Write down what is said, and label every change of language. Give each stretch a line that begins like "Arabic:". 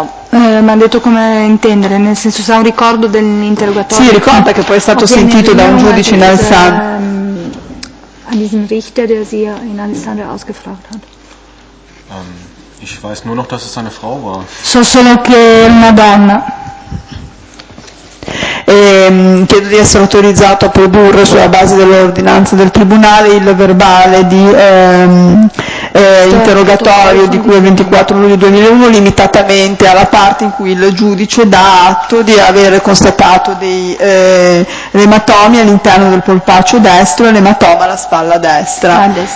Italian: Mi hanno detto come intendere, nel senso, se ha un ricordo dell'interrogatorio. Sì, ricorda che poi è stato sentito da un giudice in Alessandria.
German: An diesen Richter, der sie in Alessandria ausgefragt hat. Ich weiß nur noch, dass es eine Frau war.
Italian: So solo che una donna. Chiedo di essere autorizzato a produrre sulla base dell'ordinanza del tribunale il verbale di interrogatorio di cui è 24 luglio 2001 limitatamente alla parte in cui il giudice dà atto di avere constatato dei ematomi all'interno del polpaccio destro e l'ematoma alla spalla destra.